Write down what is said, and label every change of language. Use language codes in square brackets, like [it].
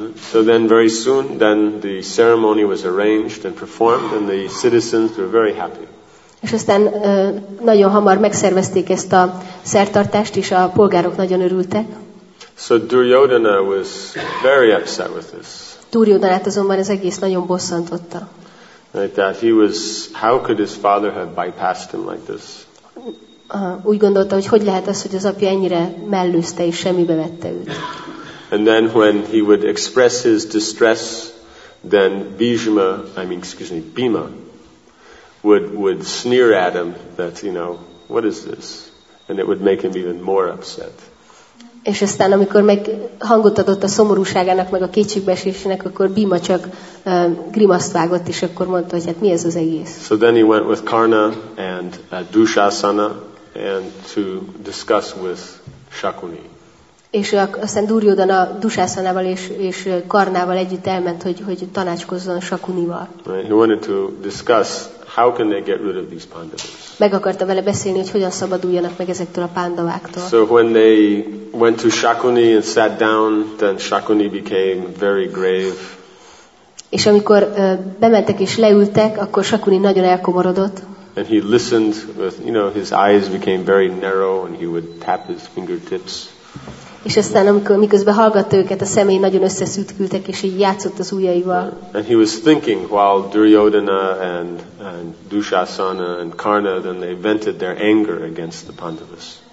[en] So then very soon then the ceremony was arranged and performed and the citizens were very happy. [hu] És aztán nagyon hamar megszervezték ezt a szertartást és a polgárok nagyon örültek. [en] So Duryodhana was very upset with this. [hu] Duryodhanát azonban ez egész nagyon bosszantotta. [en] Right, that he was, how could his father have bypassed him like this? [hu] Úgy gondolta, hogy hogy lehet az, hogy az apja ennyire mellőzte és semmibe vette őt. [en] And then when he would express his distress, then Bhima would sneer at him that, what is this? And it would make him even more upset. [hu] És aztán, amikor meg hangot adott a szomorúságának, meg a kétségbeesésének, akkor Bhima csak grimaszt vágott, és akkor mondta, hogy hát mi ez az egész. [en] So then he went with Karna and Dushasana and to discuss with Shakuni. [hu] És aztán Duryodhana Dushasanával és Karnával együtt elment, hogy tanácskozzon Shakunival. [en] Right. He wanted to discuss how can they get rid of these Pandavas. [hu] Meg akarta vele beszélni, hogy hogyan szabaduljanak meg ezektől a Pandaváktól. [en] So when they went to Shakuni and sat down, then Shakuni became very grave. [hu] És amikor bementek és leültek, akkor Shakuni nagyon elkomorodott. [en] And he listened with, his eyes became very narrow and he would tap his fingertips. [hu] És aztán, amikor miközben hallgatta őket, a szemei nagyon összeszűkültek, és így játszott az ujjaival. [en] And he was thinking while Duryodhana and Dushasana and Karna then they vented their anger against the Pandavas.